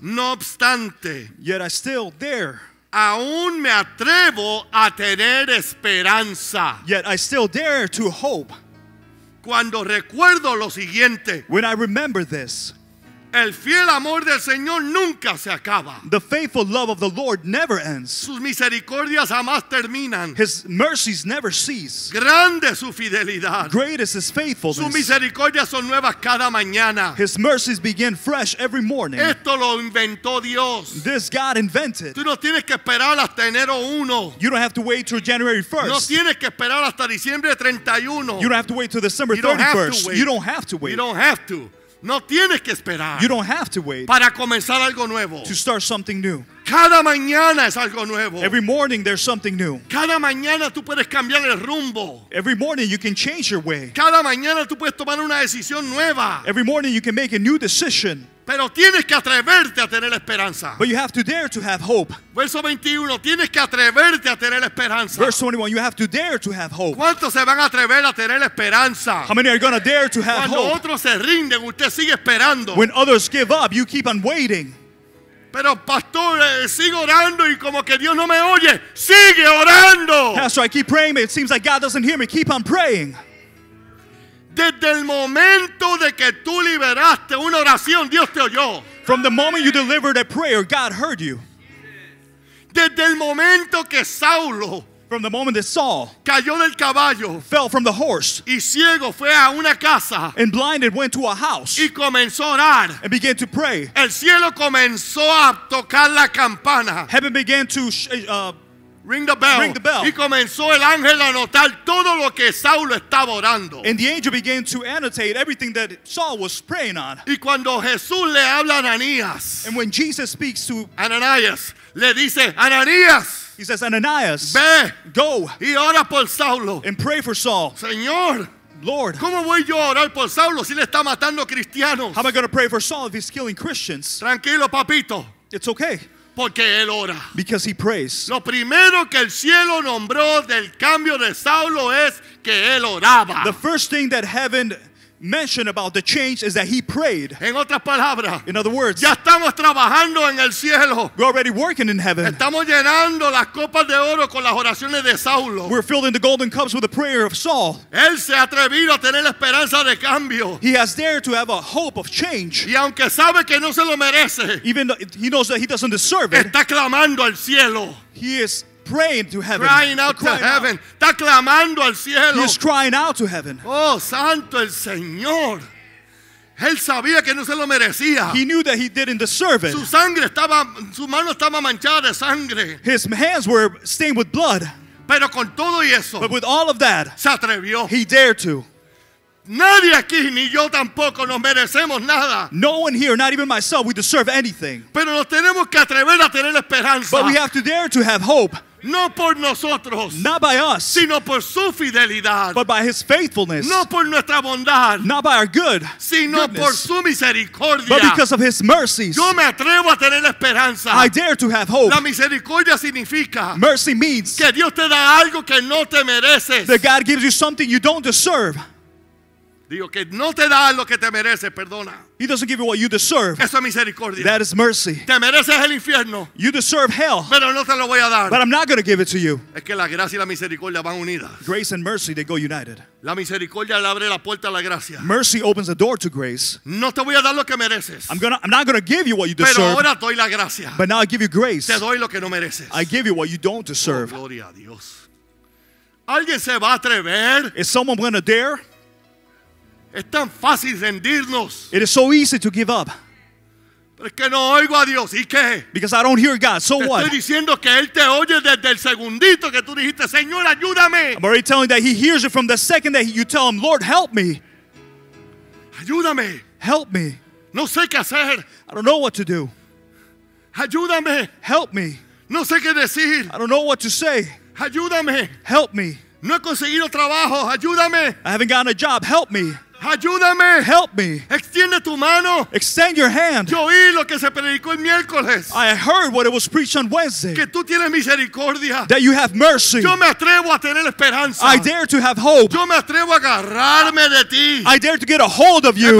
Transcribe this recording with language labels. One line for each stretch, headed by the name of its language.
Spanish: No obstante.
English: Yet I still there.
Spanish: Aún me atrevo a tener esperanza.
English: Yet I still dare to hope.
Spanish: Cuando recuerdo lo siguiente.
English: When I remember this.
Spanish: El fiel amor del Señor nunca se acaba.
English: The faithful love of the Lord never ends.
Spanish: Sus misericordias jamás terminan.
English: His mercies never cease.
Spanish: Grande su fidelidad.
English: Great is his faithfulness.
Spanish: Sus misericordias son nuevas cada mañana.
English: His mercies begin fresh every morning.
Spanish: Esto lo inventó Dios.
English: This God invented.
Spanish: Tú no tienes que esperar hasta enero 1.
English: You don't have to wait till January 1st.
Spanish: No tienes que esperar hasta diciembre 31.
English: You don't have to wait till December 31st. You don't have to wait. You don't have to.
Spanish: No tienes que esperar.
English: You don't have to wait.
Spanish: Para comenzar algo nuevo.
English: To start something new.
Spanish: Cada mañana es algo nuevo.
English: Every morning there's something new.
Spanish: Cada mañana tú puedes cambiar el rumbo.
English: Every morning you can change your way.
Spanish: Cada mañana tú puedes tomar una decisión nueva.
English: Every morning you can make a new decision.
Spanish: Pero tienes que atreverte a tener esperanza.
English: But you have to dare to have hope.
Spanish: Verso 21, tienes que atreverte a tener esperanza.
English: Verse 21, you have to dare to have hope.
Spanish: ¿Cuántos se van a atrever a tener esperanza?
English: How many are going to dare to have
Spanish: cuando
English: hope?
Spanish: Cuando otros se rinden, usted sigue esperando.
English: When others give up, you keep on waiting.
Spanish: Pero pastor, sigo orando y como que Dios no me oye. Sigue orando.
English: Pastor, I keep praying, but it seems like God doesn't hear me. Keep on praying.
Spanish: Desde el momento de que tú liberaste una oración, Dios te oyó.
English: From the moment you delivered a prayer, God heard you.
Spanish: Desde el momento que Saulo,
English: from the moment that Saul,
Spanish: cayó del caballo,
English: fell from the horse,
Spanish: y ciego fue a una casa,
English: and blinded went to a house,
Spanish: y comenzó a orar,
English: and began to pray.
Spanish: El cielo comenzó a tocar la campana.
English: Heaven began to Ring the bell. Ring the bell.
Spanish: Y comenzó el ángel a anotar todo lo que Saulo estaba orando.
English: And the angel began to annotate everything that Saul was praying on.
Spanish: Y cuando Jesús le habla a Ananías.
English: And when Jesus speaks to
Spanish: Ananias, le dice, Ananías.
English: He says, Ananias,
Spanish: ve,
English: go.
Spanish: Y ora por Saulo.
English: And pray for Saul.
Spanish: Señor.
English: Lord.
Spanish: ¿Cómo voy yo a orar por Saulo si le está matando cristianos?
English: How am I going to pray for Saul if he's killing Christians?
Spanish: Tranquilo, papito.
English: It's okay.
Spanish: Porque él ora.
English: Because he prays.
Spanish: Lo primero que el cielo nombró del cambio de Saulo es que él oraba.
English: The first thing that heaven mentioned about the change is that he prayed.
Spanish: En otras palabras,
English: in other words,
Spanish: ya estamos trabajando en el cielo.
English: We're already working in heaven.
Spanish: Estamos llenando las copas de oro con las oraciones de Saulo.
English: We're filling the golden cups with the prayer of Saul.
Spanish: Él se ha atrevido a tener la esperanza de cambio.
English: He has dared to have a hope of change.
Spanish: Y aunque sabe que no se lo merece,
English: even though he knows that he doesn't deserve
Spanish: it, está clamando al cielo.
English: He is praying to heaven. Crying out to heaven.
Spanish: Está clamando al cielo.
English: He's crying out to heaven.
Spanish: Oh, santo el Señor. Él sabía que no se lo merecía.
English: He knew that he didn't deserve it.
Spanish: Su sangre estaba, su mano estaba manchada de sangre.
English: His hands were stained with blood.
Spanish: Pero con todo y eso,
English: but with all of that,
Spanish: se atrevió.
English: He dared to.
Spanish: Nadie aquí, ni yo tampoco, nos merecemos nada.
English: No one here, not even myself, we deserve anything.
Spanish: Pero nos tenemos que atrever a tener esperanza.
English: But we have to dare to have hope.
Spanish: No por nosotros,
English: not by us,
Spanish: sino por su fidelidad,
English: but by his faithfulness.
Spanish: No por nuestra bondad,
English: not by our good,
Spanish: sino
English: goodness,
Spanish: por su misericordia,
English: but because of his mercies.
Spanish: Yo me atrevo a tener esperanza.
English: I dare to have hope.
Spanish: La misericordia significa,
English: mercy means,
Spanish: que Dios te da algo que no te mereces.
English: That God gives you something you don't deserve.
Spanish: Digo que no te da lo que te mereces, perdona.
English: He doesn't give you what you deserve.
Spanish: Eso es misericordia.
English: That is mercy.
Spanish: Te mereces el infierno.
English: You deserve hell.
Spanish: Pero no te lo voy a dar.
English: But I'm not going to give it to you.
Spanish: Es que la gracia y la misericordia van unidas.
English: Grace and mercy, they go united.
Spanish: La misericordia le abre la puerta a la gracia.
English: Mercy opens the door to grace.
Spanish: No te voy a dar lo que mereces.
English: I'm not going to give you what you deserve.
Spanish: Pero ahora doy la gracia.
English: But now I give you grace.
Spanish: Te doy lo que no mereces.
English: I give you what you don't deserve.
Spanish: Oh, gloria a Dios. ¿Alguien se va a atrever?
English: Is someone going to dare?
Spanish: Es tan fácil rendirnos.
English: It is so easy to give up.
Spanish: Pero es que no oigo a Dios. ¿Y qué?
English: Because I don't hear God. So what?
Spanish: Te estoy diciendo que él te oye desde el segundito que tú dijiste, Señor, ayúdame.
English: I'm already telling that he hears it from the second that you tell him, Lord, help me.
Spanish: Ayúdame.
English: Help me.
Spanish: No sé qué hacer.
English: I don't know what to do.
Spanish: Ayúdame.
English: Help me.
Spanish: No sé qué decir.
English: I don't know what to say.
Spanish: Ayúdame.
English: Help me.
Spanish: No he conseguido trabajo. Ayúdame.
English: I haven't gotten a job. Help me.
Spanish: Ayúdame.
English: Help me.
Spanish: Extiende tu mano.
English: Extend your hand.
Spanish: Yo oí lo que se predicó el miércoles.
English: I heard what it was preached on Wednesday.
Spanish: Que tú tienes misericordia.
English: That you have mercy.
Spanish: Yo me atrevo a tener esperanza.
English: I dare to have hope.
Spanish: Yo me atrevo a agarrarme de ti.
English: I dare to get a hold of you.